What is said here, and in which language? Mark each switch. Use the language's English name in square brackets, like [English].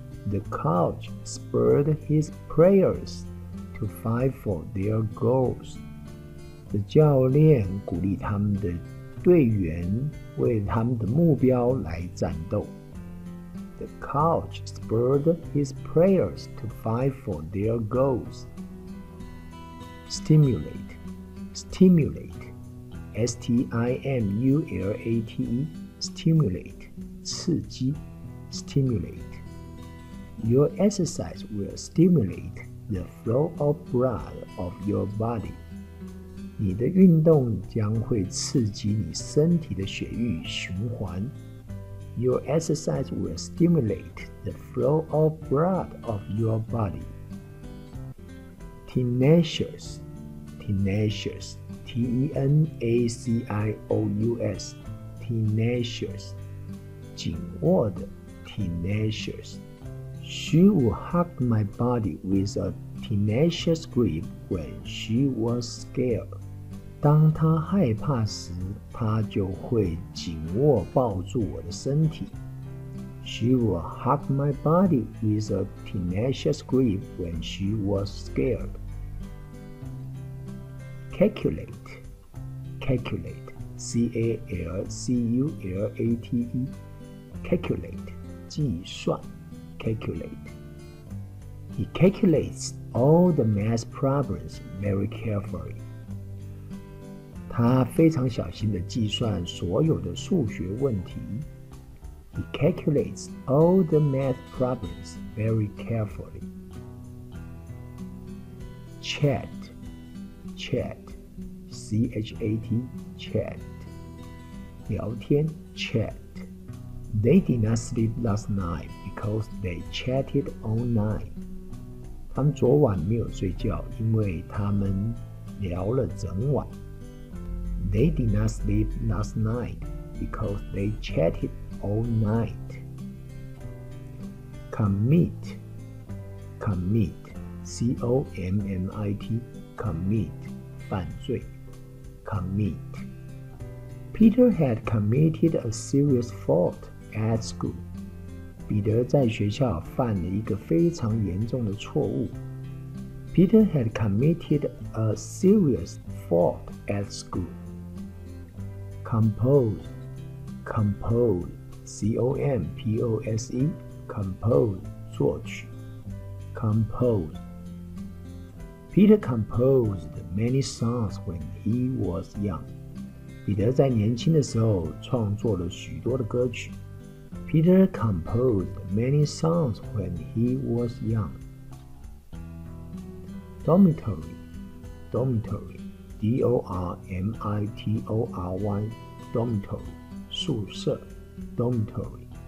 [English] The coach spurred his players to fight for their goals. [Chinese] 教练鼓励他们的队员为他们的目标来战斗。 [English] The coach spurred his players to fight for their goals. Stimulate, stimulate, S-T-I-M-U-L-A-T-E, stimulate, 刺激 stimulate. Your exercise will stimulate the flow of blood of your body. [Chinese] 你的运动将会刺激你身体的血液循环。 [English] Your exercise will stimulate the flow of blood of your body. Tenacious, tenacious, T-E-N-A-C-I-O-U-S, tenacious, 紧握的 tenacious. She would hug my body with a tenacious grip when she was scared. [Chinese] 当他害怕时，他就会紧握抱住我的身体。 [English] She will hug my body with a tenacious grip when she was scared. Calculate, calculate, C-A-L-C-U-L-A-T-E, calculate, 计算 calculate. He calculates all the math problems very carefully. [Chinese] 他非常小心地计算所有的数学问题。 [English] He calculates all the math problems very carefully. Chat, chat, C-H-A-T, chat. [Chinese] 聊天 chat. [English] They did not sleep last night because they chatted all night. [Chinese] 他们昨晚没有睡觉，因为他们聊了整晚。 [English] They did not sleep last night because they chatted all night. Commit, commit, C-O-M-M-I-T, commit, 犯罪, commit. Peter had committed a serious fault at school. [Chinese] 彼得在学校犯了一个非常严重的错误。 [English] Peter had committed a serious fault at school. Compose, compose, C-O-M-P-O-S-E, compose, [Chinese] 作曲 [English] compose. Peter composed many songs when he was young. [Chinese] 彼得在年轻的时候创作了许多的歌曲。 [English] Peter composed many songs when he was young. Dormitory, dormitory, D-O-R-M-I-T-O-R-Y,Dormitory, [Chinese] 宿舍 dormitory.